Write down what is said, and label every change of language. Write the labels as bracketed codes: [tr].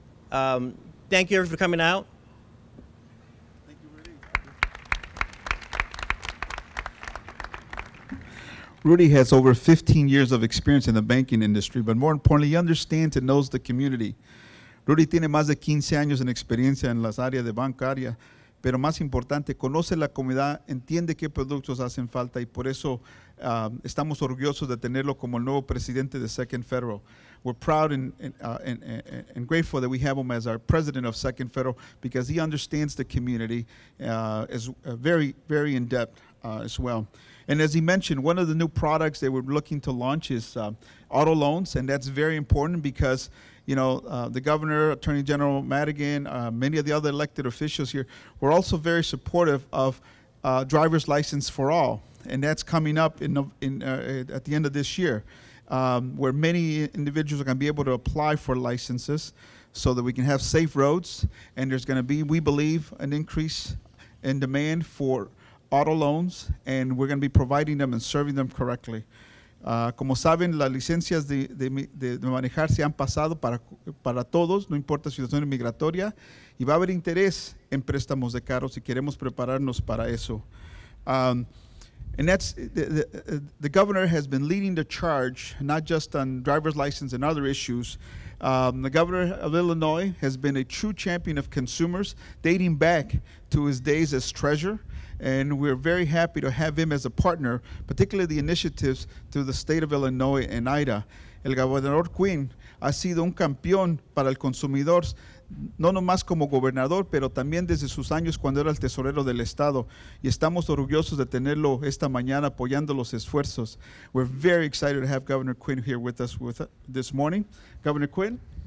[en] Thank you for coming out. Thank you, Rudy. Rudy has over 15 years of experience in the banking industry, but more importantly, he understands and knows the community. [es] Rudy tiene más de 15 años en experiencia en las áreas de bancaria. Pero más importante, conoce la comunidad, entiende qué productos hacen falta y por eso estamos orgullosos de tenerlo como el nuevo presidente de Second Federal. [en] We're proud and grateful that we have him as our president of Second Federal because he understands the community very, very in depth as well. And as he mentioned, one of the new products that we're looking to launch is auto loans, and that's very important because you know, the governor, Attorney General Madigan, many of the other elected officials here were also very supportive of driver's license for all. And that's coming up at the end of this year, where many individuals are going to be able to apply for licenses so that we can have safe roads. And there's going to be, we believe, an increase in demand for auto loans, and we're going to be providing them and serving them correctly. [es] Como saben, las licencias de manejar se han pasado para todos, no importa la situación migratoria, y va a haber interés en préstamos de carros y queremos prepararnos para eso. [en] And that's the governor has been leading the charge, not just on driver's license and other issues. The governor of Illinois has been a true champion of consumers, dating back to his days as treasurer. And we're very happy to have him as a partner, particularly the initiatives through the state of Illinois and Ida. [es] El gobernador Quinn ha sido un campeón para el consumidor no nomás como gobernador, pero también desde sus años cuando era el tesorero del estado. Y estamos orgullosos de tenerlo esta mañana apoyando los esfuerzos. [en] We're very excited to have Governor Quinn here with us with this morning. Governor Quinn.